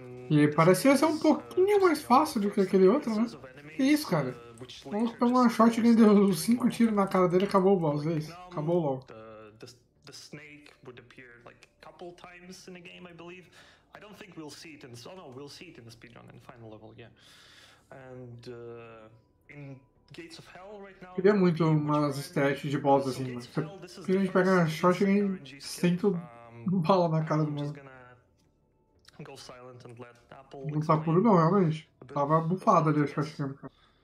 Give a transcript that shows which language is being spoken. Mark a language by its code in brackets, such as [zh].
[pt] E parecia ser um pouquinho mais fácil do que aquele outro, né? Que isso, cara? Vamos pegar uma shot que deu 5 tiros na cara dele e acabou o boss, é isso? Acabou logo. [en] The snake would appear like a couple times in a game, I believe. I don't think we'll see it in the... Oh no, we'll see it in the speedrun, in the final level, yeah. And in Gates of Hell right now... [pt] Queria muito umas stats de boss assim, mas... Queria a gente pegar uma shot e sento bala na cara do mano. [en] Go silent and let Apple... [pt] Não tá puro não, realmente. Tava bufado ali a shot game, cara.